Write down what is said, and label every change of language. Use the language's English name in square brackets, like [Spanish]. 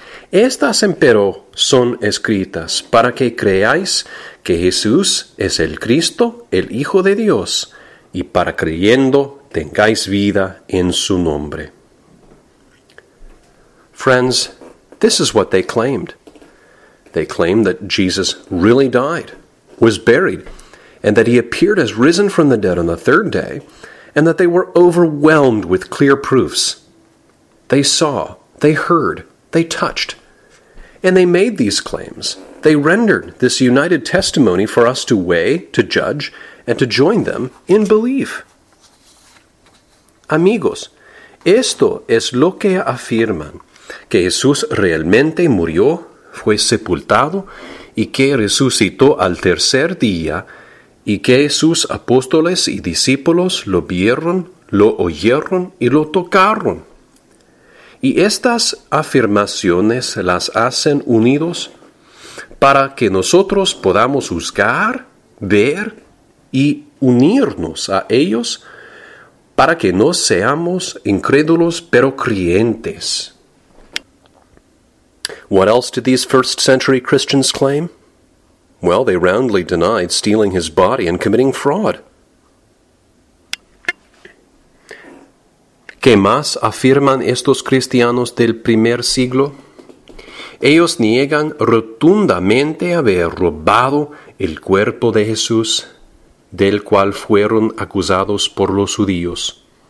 [Spanish] Estas, empero, son escritas para que creáis que Jesús es el Cristo, el Hijo de Dios, y para creyendo tengáis vida en su nombre. [English] Friends, this is what they claimed. They claim that Jesus really died, was buried, and that he appeared as risen from the dead on the third day, and that they were overwhelmed with clear proofs. They saw, they heard, they touched, and they made these claims. They rendered this united testimony for us to weigh, to judge, and to join them in belief. [Spanish] Amigos, esto es lo que afirman, que Jesús realmente murió, fue sepultado, y que resucitó al tercer día, y que sus apóstoles y discípulos lo vieron, lo oyeron y lo tocaron. Y estas afirmaciones las hacen unidos para que nosotros podamos juzgar, ver y unirnos a ellos para que no seamos incrédulos pero creyentes. [English] What else did these first century Christians claim? Well, they roundly denied stealing his body and committing fraud. [Spanish] ¿Qué más afirman estos cristianos del primer siglo? Ellos niegan rotundamente haber robado el cuerpo de Jesús, del cual fueron acusados por los judíos.